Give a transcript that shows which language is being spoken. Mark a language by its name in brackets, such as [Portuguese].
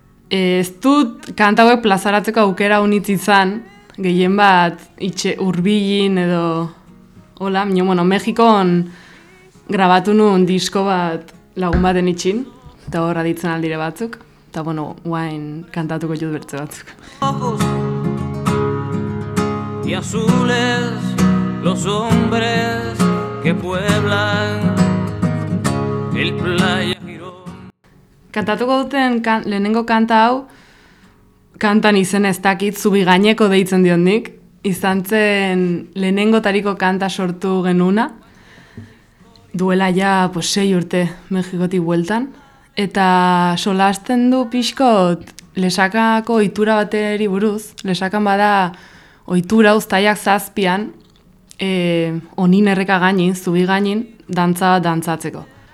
[Basque] Ez dut kanta hauek plazaratzeko aukera unitz izan, gehien bat itxe hurbilin edo, hola, minio, bueno, Mexikon grabatu nun disko bat lagun baten itxin, eta horra ditzen aldire batzuk, eta bueno, guain kantatuko jut bertze batzuk. [Spanish] Y azules los hombres que pueblan el playa Girón. [Basque] Kantatuko duten lehenengo kanta hau, kantan izen ez dakit, Zubigaineko deitzen dion nik, izan zen lehenengo tariko kanta sortu genuna, duela ja pues, 6 urte Mexikotik bueltan, eta solasten du pixkot Lesakako ohitura bateri buruz, Lesakan bada ohitura uztaiak 7an onin erreka gainin, zubi gainin, dantza bat dantzatzeko.